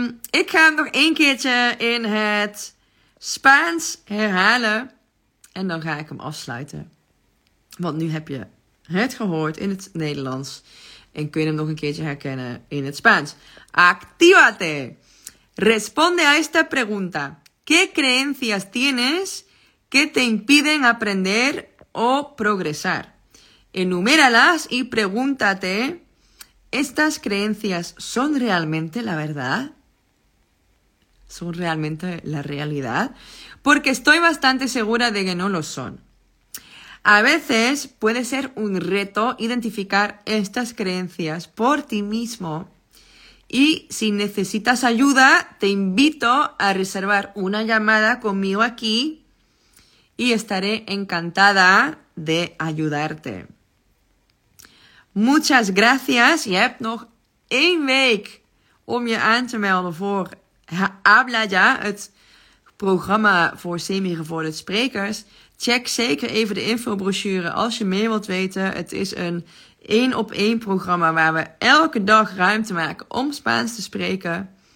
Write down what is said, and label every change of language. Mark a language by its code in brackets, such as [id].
[nl] Ik ga hem nog één keertje in het Spaans herhalen en dan ga ik hem afsluiten. Want nu heb je het gehoord in het Nederlands en kun je hem nog een keertje herkennen in het Spaans. [es] ¡Actívate! Responde a esta pregunta. ¿Qué creencias tienes que te impiden aprender o progresar? Enuméralas y pregúntate, ¿estas creencias son realmente la verdad? son realmente la realidad? Porque estoy bastante segura de que no lo son. A veces puede ser un reto identificar estas creencias por ti mismo. Y si necesitas ayuda, te invito a reservar una llamada conmigo aquí y estaré encantada de ayudarte. Muchas gracias. [nl] Je hebt nog één week om je aan te melden voor Habla Ya, het programma voor semi-gevorderd sprekers. Check zeker even de infobrochure als je mee wilt weten. Het is een 1-op-1 programma waar we elke dag ruimte maken om Spaans te spreken.